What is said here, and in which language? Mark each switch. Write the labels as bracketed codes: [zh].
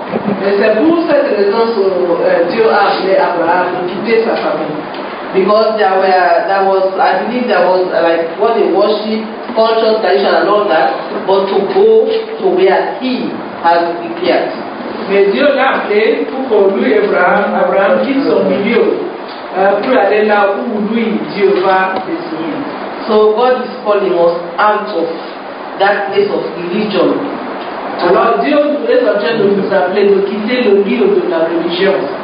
[fr] C'est pour cette raison que Dieu a appelé Abraham de quitter sa famille. [en] Because there was like what they worship, culture, tradition and all that, but to go to where he has appeared. [fr] Mais Dieu l'a appelé pour que lui et Abraham quitte son milieu pour aller là où lui, Dieu va décider. [en] So God is calling us out of that place of religion. [fr] Alors Dieu est en train de nous appeler de quitter le lieu de la religion.